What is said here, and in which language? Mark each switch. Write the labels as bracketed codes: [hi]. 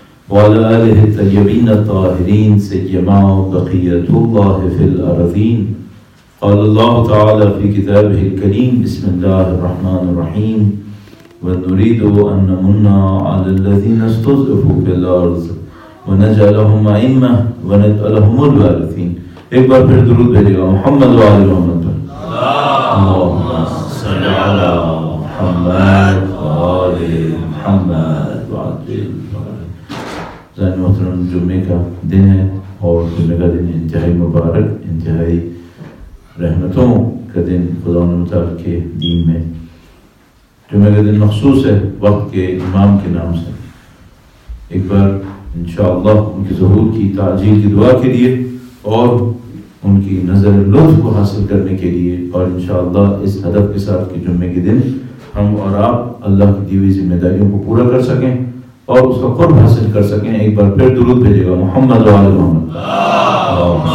[ar] وعلى آله الطيبين الطاهرين سيما بقية الله في الأرضين. قال الله تعالى في كتابه الكريم: بسم الله الرحمن الرحيم. ونريد أن نمن على الذين استضعفوا في الأرض ونجعلهم أئمة ونجعلهم الوارثين. [ur] ایک بار پھر درود بھیجے گا محمد و آل محمد پر. [ar] اللهم صل على محمد و آل محمد و آل محمد. [ur] زین محترم، جمعے کا دن ہے اور جمعے کا دن انتہائی مبارک، انتہائی رحمتوں کا دن خدا نے متعلق کے دین میں. جمعے کا دن مخصوص ہے وقت کے امام کے نام سے. ایک بار انشاءاللہ ان کے ظہور کی تعجیل کی دعا کے لیے اور ان کی نظر لطف کو حاصل کرنے کے لیے اور انشاءاللہ اس ہدف کے ساتھ کہ جمعے کے دن ہم اور آپ اللہ کی دی ہوئی ذمہ داریوں کو پورا کر سکیں اور اس کا قرب حاصل کر سکیں، ایک بار پھر درود بھیجے گا محمد و آل محمد.